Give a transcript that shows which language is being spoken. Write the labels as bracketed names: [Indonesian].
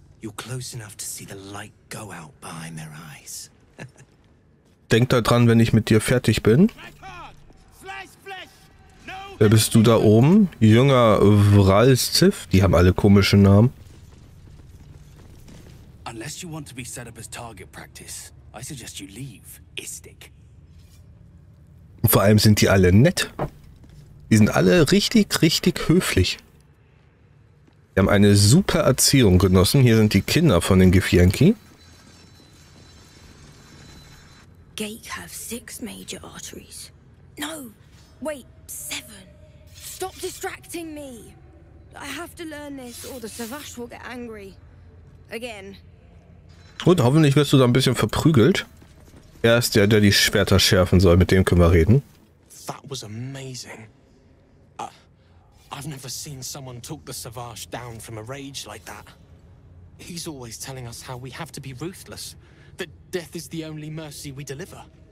[English] You're close enough to see the light go out behind their eyes. [German] Denk da dran, wenn ich mit dir fertig bin. Wer bist du da oben? Jünger Vralsziv? Die haben alle komische Namen. [English] Unless you want to be set up as target practice, I suggest you leave, Istik. [German] Vor allem sind die alle nett. Die sind alle richtig, richtig höflich. Die haben eine super Erziehung genossen. Hier sind die Kinder von den Gefjenki. [English] Gake have six major arteries. No, wait, seven. Stop distracting me. I have to learn this or the Savash will get angry. Again. [German] Gut, hoffentlich wirst du da ein bisschen verprügelt. Er ist der, der die Schwerter schärfen soll. Mit dem können wir reden. [English] That was amazing. I've never seen someone talk the Savash down from a rage like that. He's always telling us how we have to be ruthless, that death is the only mercy we deliver.